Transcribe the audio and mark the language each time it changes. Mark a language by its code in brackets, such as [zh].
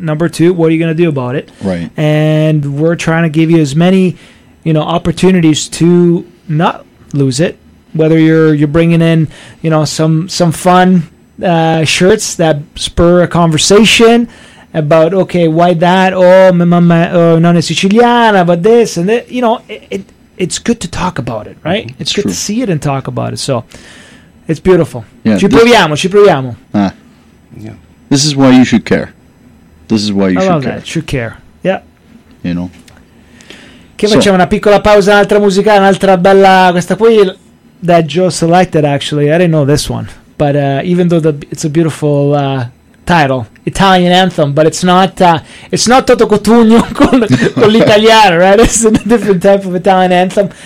[en] Number two, what are you going to do about it? Right. And we're trying to give you as many, you know, opportunities to not lose it. Whether you're bringing in, you know, some fun shirts that spur a conversation about, okay, why that? Oh, my mama, oh, [it] non è siciliana, [en] but this and that. You know, it's good to talk about it, right? It's good true. To see it and talk about it. So it's beautiful. Yeah, [it] ci proviamo. [en] Yeah. This is why you should care. This is why you should care. I love that. Should care. Yeah. You know. [it] Che facciamo, so, una piccola pausa, un'altra musica, un'altra bella, questa qui [en] that Joe selected, actually. I didn't know this one. But even though it's a beautiful title, Italian Anthem, but it's not Toto Cotugno con l'italiano, right? It's a different type of Italian anthem.